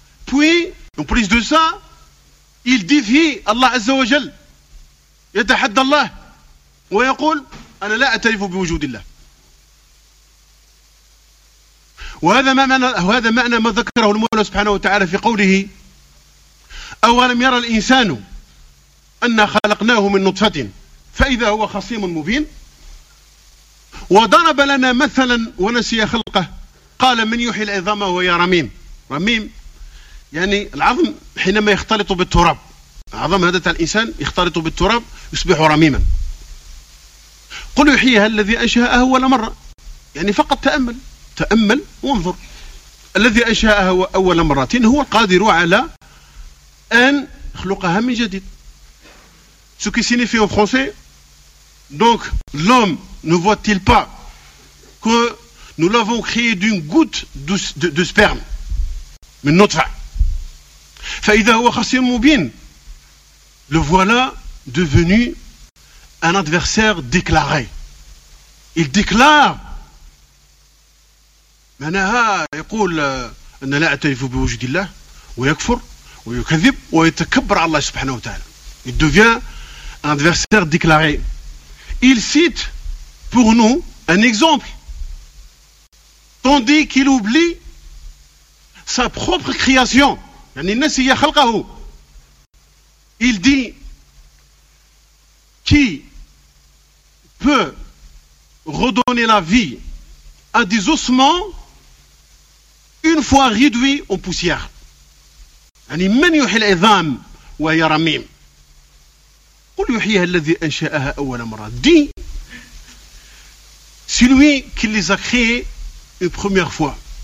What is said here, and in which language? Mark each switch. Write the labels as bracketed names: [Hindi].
[French] Puis, en plus de ça, il défie Allah Azza wa Jal. [Arabic] يتحدى الله ويقول أنا لا أعترف بوجود الله. وهذا ما معنى وهذا معنى ما ذكره المولى سبحانه وتعالى في قوله أولم يرى الإنسان أنا خلقناه من نطفة فإذا هو خصيم مبين. وضرب لنا مثلا ونسي خلقه قال من يحيي العظام وهي رميم. رميم يعني العظم حينما يختلط بالتراب، عظم هذا الإنسان يختلط بالتراب يصبح رميما. قل يحييها الذي أنشأها أول مرة، يعني فقط تأمل تأمل وانظر، الذي أنشأها أول مرة هو القادر على أن يخلقها من جديد. [French] Ce qui signifie en français, donc l'homme ne voit-il pas que nous l'avons créé d'une goutte de sperme, [Arabic] من نطفة. فإذا هو خصيم مبين. [French] Le voilà devenu un adversaire déclaré. Il déclare. Manaha, il [Arabic] قول أن لا أعترف بوجود الله ويكفر ويكذب ويتكبر الله سبحانه وتعالى. [French] Il devient un adversaire déclaré. Il cite pour nous un exemple, tandis qu'il oublie sa propre création. [Arabic] يعني الناس هي خلقه. [French] Il dit qui peut redonner la vie à des ossements une fois réduits en poussière. [Arabic] يعني من يحيي العظام وهي رميم. قل يحييها الذي أنشأها أول مرة. [French] Dit celui qui les a créés une première fois.